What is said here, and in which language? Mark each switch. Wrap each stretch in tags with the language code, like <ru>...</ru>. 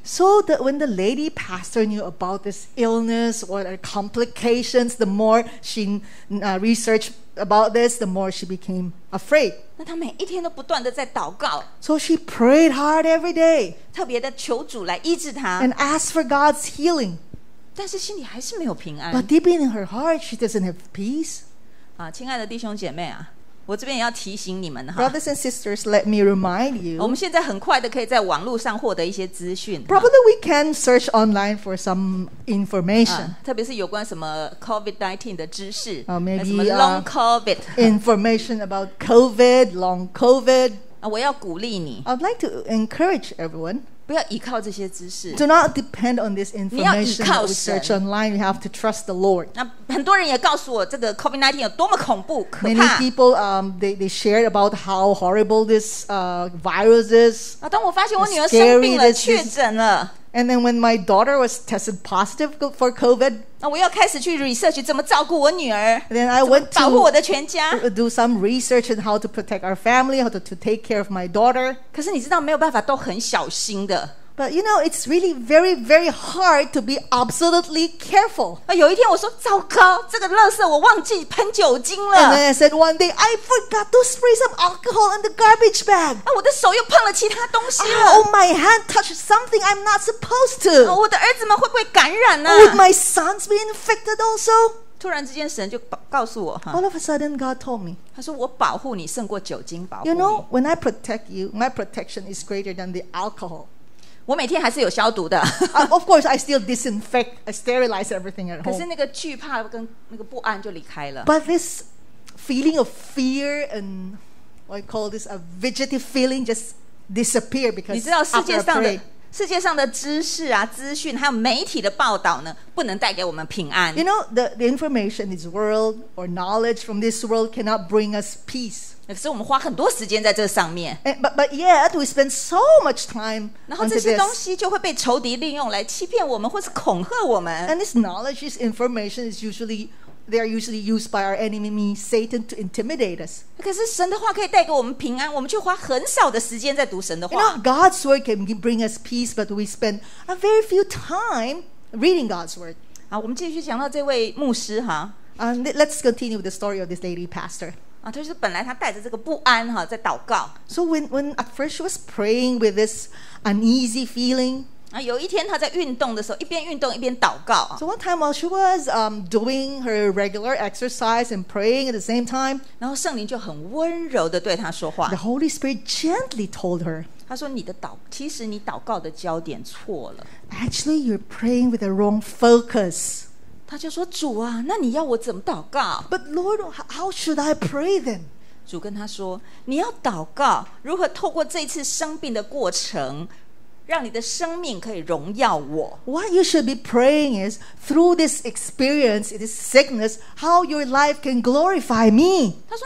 <en>So that when the lady pastor knew about this illness, what are complications, the more she researched about this, the more she became afraid.</en> <zh>那他每一天都不断地在祷告。</zh> <en>So she prayed hard every day.</en> <zh>特别地求主来医治他。</zh> <en>And asked for God's healing. But deep in her heart, she doesn't have peace.</en> <zh>亲爱的弟兄姐妹啊, 我这边也要提醒你们,</zh> <en>brothers and sisters, let me remind you.</en> <zh>我们现在很快的可以在网络上获得一些资讯。</zh> <en>Probably we can search online for some information.</en> <zh>特别是有关什么COVID-19的知识。</zh> <en>Maybe long COVID. Information about COVID, long COVID.</en> <zh>我要鼓励你。</zh> <en>I'd like to encourage everyone.</en> <zh>不要依靠这些知识,</zh> <en>do not depend on this information that we search online. You have to trust the Lord.</en> <zh>很多人也告诉我这个 COVID-19有多么恐怖, 可怕。</zh> <en>Many people they shared about how horrible this virus is.</en> <zh>当我发现我女儿生病了，确诊了。</zh> <en>And then when my daughter was tested positive for COVID,</en> <zh>我又开始去research怎么照顾我女儿,</zh> <en>then I went to</en> <zh>保护我的全家,</zh> <en>do some research on how to protect our family, how to take care of my daughter.</en> <zh>可是你知道没有办法都很小心的。</zh> <en>But you know, it's really very, very hard to be absolutely careful.</en> <zh>有一天我说, 糟糕, 这个垃圾我忘记喷酒精了。</zh> <en>And then I said one day, I forgot to spray some alcohol in the garbage bag.</en> <zh>我的手又碰了其他东西了。</zh> <en>Oh, my hand touched something I'm not supposed to.</en> <zh>我的儿子们会不会感染啊?</zh> <en>Would my sons be infected also?</en> <zh>突然之间神就告诉我,</zh> <en>All of a sudden, God told me,</en> <zh>他说我保护你胜过酒精保护你。</zh> <en>You know, when I protect you, my protection is greater than the alcohol.</en> <zh>我每天还是有消毒的</zh> <en>of course I still disinfect I sterilize everything at home</en> <zh>可是那个惧怕跟那个不安就离开了</zh> <en>But this feeling of fear and what I call this a vegetative feeling just disappear because</en> <zh>你知道世界上的,</zh> <en>after a prayer</en> <zh>世界上的知识啊资讯还有媒体的报道呢 不能带给我们平安</zh> <en>You know the information this world or knowledge from this world cannot bring us peace</en> <zh>可是我们花很多时间在这上面</zh> <en>But yet we spend so much time</en> <zh>然后这些东西就会被仇敌利用来欺骗我们 或是恐吓我们</zh> <en>And this knowledge, this information is usually They are usually used by our enemy, Satan, to intimidate us.</en> <zh>可是神的话可以带给我们平安, 我们却花很少的时间在读神的话。</zh> <en>You know, God's word can bring us peace, but we spend a very few time reading God's word.</en> <zh>好, 我们继续讲到这位牧师,</zh> <en>let's continue with the story of this lady pastor.</en> <zh>啊, 就是本来她带着这个不安, 啊, 在祷告。</zh> <en>So when at first she was praying with this uneasy feeling,</en> <zh>啊, 有一天她在运动的时候, 一边运动一边祷告,</zh> <en>so one time while she was doing her regular exercise and praying at the same time,</en> <zh>然后圣灵就很温柔地对她说话,</zh> <en>the Holy Spirit gently told her,</en> <zh>她说你的祷, 其实你祷告的焦点错了,</zh> <en>actually you're praying with the wrong focus.</en> <zh>她就说主啊, 那你要我怎么祷告?</zh> <en>But Lord, how should I pray then?</en> <zh>主跟她说, 你要祷告, 如何透过这次生病的过程, 让你的生命可以荣耀我</zh> <en>What you should be praying is Through this experience, this sickness How your life can glorify me</en>